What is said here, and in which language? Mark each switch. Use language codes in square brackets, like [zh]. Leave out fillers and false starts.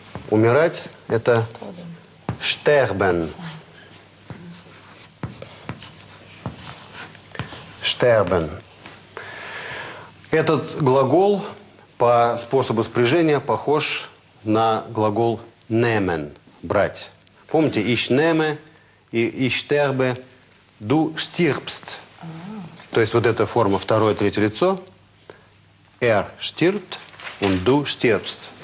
[ru] «Умирать» – это «штербен». «Штербен». Этот глагол по способу спряжения похож на глагол «немен» – «брать». Помните [de] «ich nehme» [ru] и [de] «ich sterbe» – «du stirbst». [ru] То есть вот эта форма второе, третье лицо. [de] Er stirbt und du stirbst.